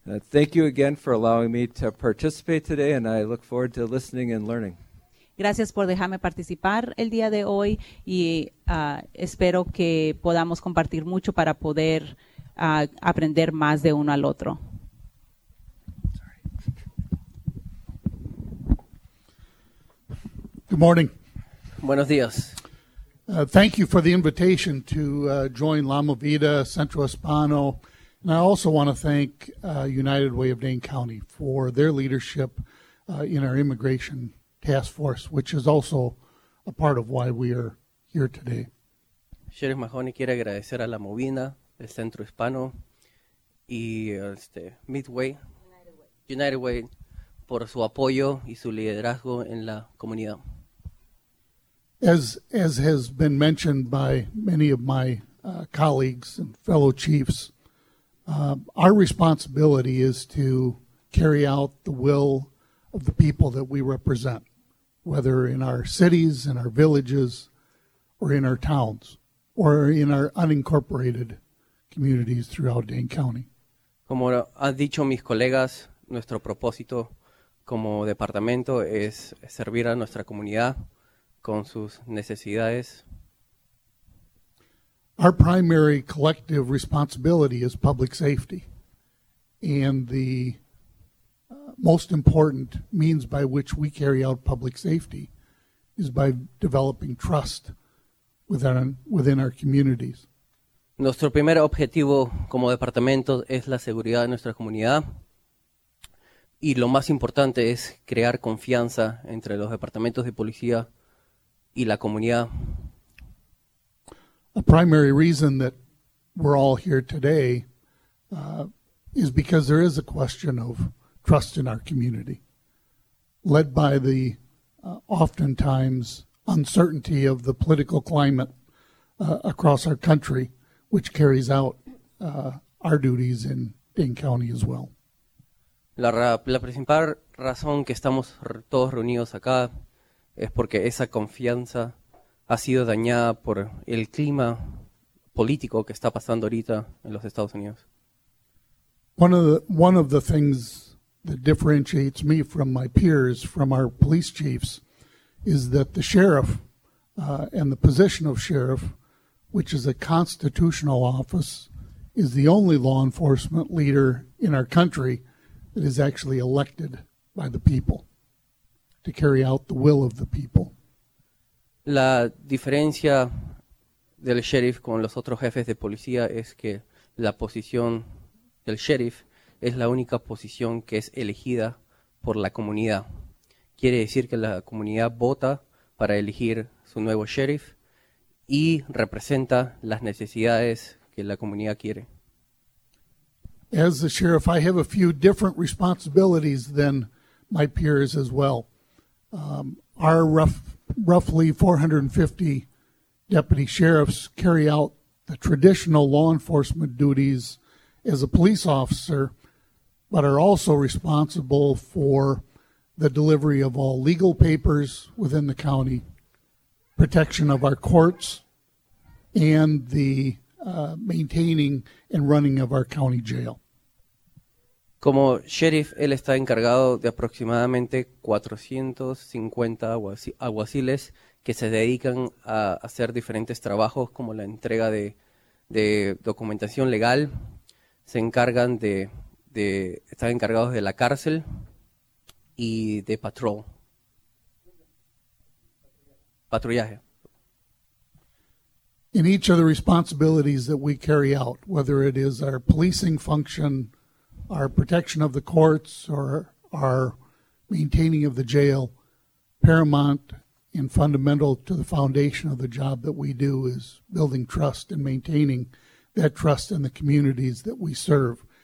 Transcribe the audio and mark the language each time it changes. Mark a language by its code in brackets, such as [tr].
[en] Thank you again for allowing me to participate today, and I look forward to listening and learning. [es] Gracias por dejarme participar el día de hoy y espero que podamos compartir mucho para poder aprender más de uno al otro. [en] Good morning. [es] Buenos días. [en] Thank you for the invitation to join La Movida, Centro Hispano, and I also want to thank United Way of Dane County for their leadership in our immigration task force, which is also a part of why we are here today. [es] Sheriff Mahoney quiere agradecer a La Movida, el Centro Hispano y Midway, United Way, por su apoyo y su liderazgo en la comunidad. [en] As has been mentioned by many of my colleagues and fellow chiefs, our responsibility is to carry out the will of the people that we represent, whether in our cities, in our villages, or in our towns, or in our unincorporated communities throughout Dane County. [es] Como han dicho mis colegas, nuestro propósito como departamento es servir a nuestra comunidad con sus necesidades. [en] Our primary collective responsibility is public safety, and the most important means by which we carry out public safety is by developing trust within our communities. [es] Nuestro primer objetivo como departamento es la seguridad de nuestra comunidad, y lo más importante es crear confianza entre los departamentos de policía y la comunidad. [en] A primary reason that we're all here today is because there is a question of trust in our community, led by the oftentimes uncertainty of the political climate across our country, which carries out our duties in Dane County as well. [es] La principal razón que estamos todos reunidos acá es porque esa confianza ha sido dañada por el clima político que está pasando ahorita en los Estados Unidos. [en] One of the things that differentiates me from my peers, from our police chiefs, is that the sheriff and the position of sheriff, which is a constitutional office, is the only law enforcement leader in our country that is actually elected by the people to carry out the will of the people. [es] La diferencia del sheriff con los otros jefes de policía es que la posición del sheriff es la única posición que es elegida por la comunidad. Quiere decir que la comunidad vota para elegir su nuevo sheriff y representa las necesidades que la comunidad quiere. [en] As the sheriff, I have a few different responsibilities than my peers as well. Our roughly 450 deputy sheriffs carry out the traditional law enforcement duties as a police officer, but are also responsible for the delivery of all legal papers within the county, protection of our courts, and the maintaining and running of our county jail. [es] Como sheriff, él está encargado de aproximadamente 450 alguaciles que se dedican a hacer diferentes trabajos como la entrega de documentación legal. Se encargan de están encargados de la cárcel y de patrullaje. [en] In each of the responsibilities that we carry out, whether it is our policing function, our protection of the courts, or our maintaining of the jail, paramount and fundamental to the foundation of the job that we do is building trust and maintaining that trust in the communities that we serve.